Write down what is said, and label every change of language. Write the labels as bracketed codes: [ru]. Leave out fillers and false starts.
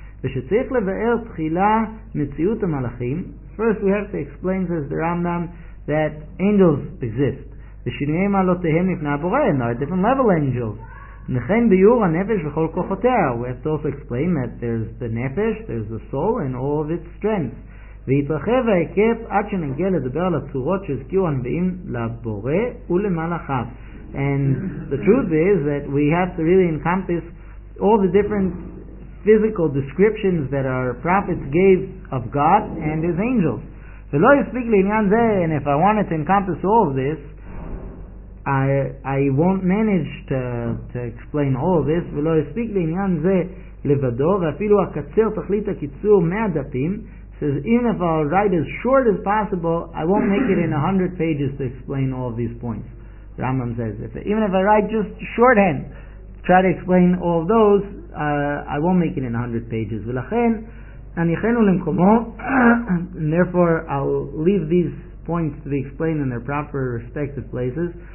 [he] ושצריך לבאר תחילה מציאות המלאכים. [en] First we have to explain, says the Rambam, that angels exist. [he] ושינויי מעלותיהם לפני הבורא, [en] and there are different level angels. [he] וכן ביור הנפש וכל כוחותיה. [en] We have to also explain that there's the nefesh, there's the soul, and all of its strengths. [he] והתרחב ההיקף עד שנגיע לדבר על הצורות שהזכירו הנביאים לבורא ולמלאכיו. [en] And the truth is that we have to really encompass all the different physical descriptions that our prophets gave of God and his angels. [he] ולא יספיק לעניין זה, [en] and if I wanted to encompass all of this, I won't manage to explain all of this. [he] ולא יספיק לעניין זה לבדו, ואפילו הקצר תכלית הקיצור מהדפים. [en] Says even if I'll write as short as possible, I won't make it in 100 pages to explain all of these points. Rambam says, even if I write just shorthand, try to explain all of those, I won't make it in 100 pages. [he] ולכן אני חנו למקומו, [en] and therefore I'll leave these points to be explained in their proper respective places.